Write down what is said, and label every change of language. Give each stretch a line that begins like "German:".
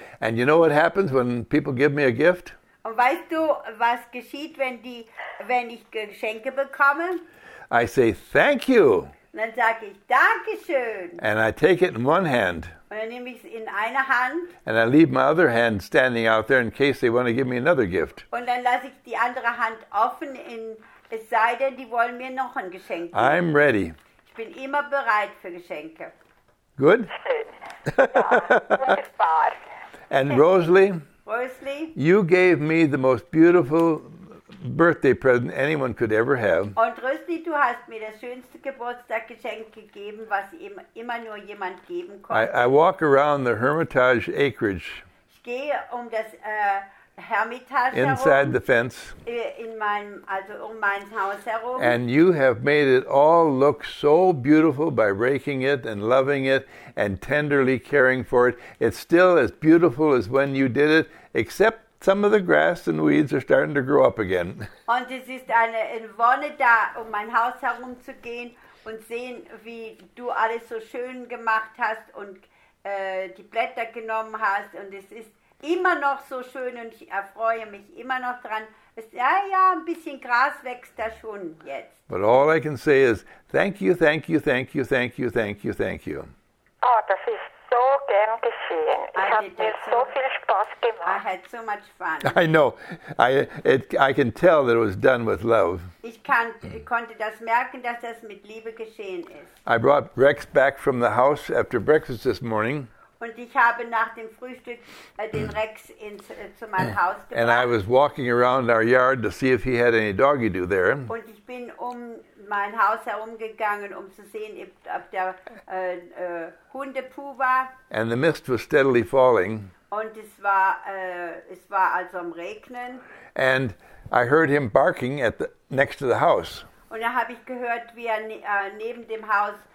English: And you know what happens when people give me a gift?
German: Und weißt du, was geschieht, wenn ich Geschenke bekomme?
English: I say thank you.
German: Und dann sage ich Dankeschön.
English: And I take it in one hand.
German: Und dann nehme ich es in eine Hand.
English: And I leave my other hand standing out there in case they want to give me another gift.
German: Und dann lasse ich die andere Hand offen, es sei denn, die wollen mir noch ein Geschenk geben.
English: I'm ready.
German: Ich bin immer bereit für Geschenke.
English: Good?
German: Ja, wunderbar.
English: And Rosalie, you gave me the most beautiful birthday present anyone could ever have.
German: Und Rüsli, du hast mir das schönste Geburtstagsgeschenk gegeben, was immer nur jemand geben konnte.
English: I walk around the Hermitage acreage.
German: Ich gehe um das Hermitage
English: inside
German: herum,
English: the fence.
German: In meinem, also um mein Haus herum.
English: And you have made it all look so beautiful by raking it and loving it and tenderly caring for it. It's still as beautiful as when you did it, except some of the grass and weeds are starting to grow up again.
German: Und es ist eine Wonne da, um mein Haus herum zu gehen und sehen, wie du alles so schön gemacht hast und die Blätter genommen hast. Und es ist immer noch so schön und ich erfreue mich immer noch dran. Ein bisschen Gras wächst da schon jetzt.
English: But all I can say is, thank you, thank you, thank you, thank you, thank you, thank you.
German: Oh, das ist so gern geschehen. Ich habe mir so viel Spaß gemacht.
English: I had so much fun. I know. I can tell that it was done with love.
German: Ich konnte das merken, dass das mit Liebe geschehen ist.
English: I brought Rex back from the house after breakfast this morning.
German: Und ich habe nach dem Frühstück den Rex zu meinem Haus gebracht.
English: And I was walking around our yard to see if he had any doggy do there.
German: Und ich bin um mein Haus herumgegangen, um zu sehen, ob der Hundepoo war.
English: And the mist was steadily falling.
German: Und es war also am Regnen.
English: And I heard him barking at the next to the house.
German: Und da habe ich gehört, wie er neben dem Haus.